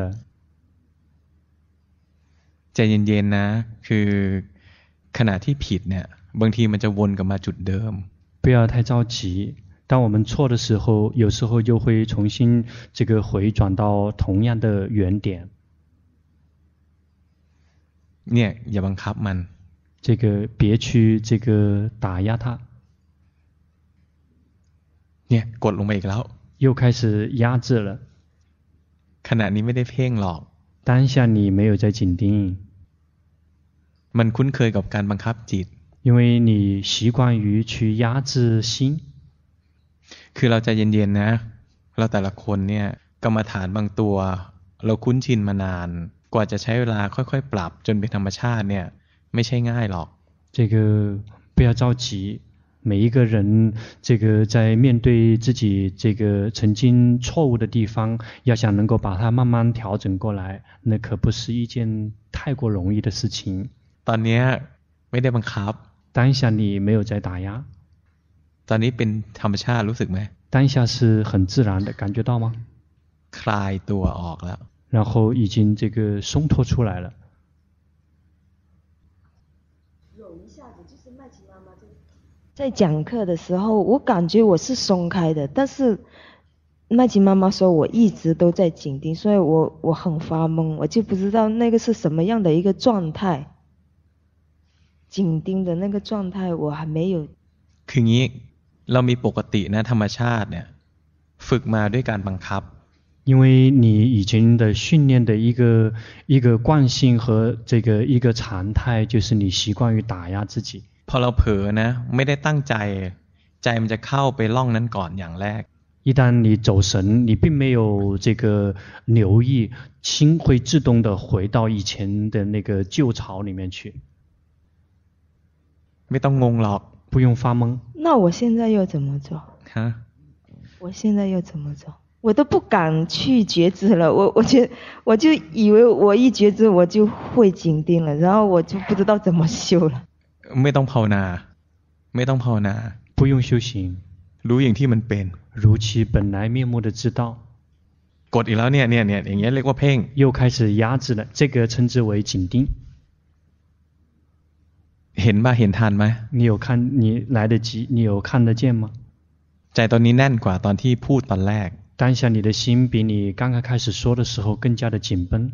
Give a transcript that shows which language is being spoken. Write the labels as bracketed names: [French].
[Thai] ด้อใจเย็นๆนะคือขณะที่ผิดเนี่ยบางทีมันจะวนกลับมาจุดเดิม [Chinese] 不要太着急当我们错的时候有时候又会重新这个回转到同样的原点 [Thai] เนี่ยอย่าบังคับมัน [Chinese] 这个别去这个打压它 [Thai] เนี่ยกดลงไปอีกแล้ว [Chinese] 又开始压制了 [Thai] ขณะนี้ไม่ได้เพ่งหรอก [Chinese] 当下你没有在紧盯 [Thai] มันคุ้นเคยกับการบังคับจิต [Chinese] 因为你习惯于去压制心 [Thai] คือเราใจเย็นๆนะเราแต่ละคนเนี่ยกรรมฐานบางตัวเราคุ้นชินมานานกว่าจะใช้เวลาค่อยๆปรับจนเป็นธรรมชาติเนี่ยไม่ใช่ง่ายหรอก [Chinese] 这个不要着急每一个人这个在面对自己这个曾经错误的地方要想能够把它慢慢调整过来那可不是一件太过容易的事情 [Thai] ตอนนี้ไม่ได้บังคับ [Chinese] 当下你没有在打压 [Thai] ตอนนี้เป็นธรรมชาติรู้สึกไหม [Chinese] 当下是很自然的感觉到吗 [Thai] คลายตัวออกแล้ว [Chinese] 然后已经这个松脱出来了有一下子就是麦琪妈在讲课的时候我感觉我是松开的，但是麦琪妈妈说我一直都在紧盯，所以我很发懵，我就不知道那个是什么样的一个状态，紧盯的那个状态我还没有。 [Thai] คืองี้เรามีปกตินะธรรมชาติเนี่ยฝึกมาด้วยการบังคับ [Chinese] 因为你以前的训练的一个惯性和这个一个常态就是你习惯于打压自己 [Thai] พอเราเผลอนะไม่ได้ตั้งใจใจมันจะเข้าไปล่องนั้นก่อนอย่างแรก [Chinese] 一旦你走神你并没有这个留意心会自动的回到以前的那个旧巢里面去 [Thai] ไม่ต้องงงหรอก [Chinese] 不用发懵那我现在又怎么做啊我现在又怎么做我都不敢去觉知了我就以为我一觉知我就会紧盯了然后我就不知道怎么修了 [Thai] ไม่ต้องภาวนาไม่ต้องภาวนา [Chinese] 不用修行 [Thai] รู้อย่างที่มันเป็น [Chinese] 如其本来面目的知道 [Thai] กดอีกแล้วเนี่ยเนี่ยเนี่ยอย่างเงี้ยเรียกว่าเพ่ง [Chinese] 又开始压制了这个称之为紧盯 [Thai] เห็นป่ะเห็นทันไหม [Chinese] 你有看你来得及你有看得见吗 [Thai] ใจตอนนี้แน่นกว่าตอนที่พูดตอนแรก [Chinese] 当下你的心比你刚刚开始说的时候更加的紧绷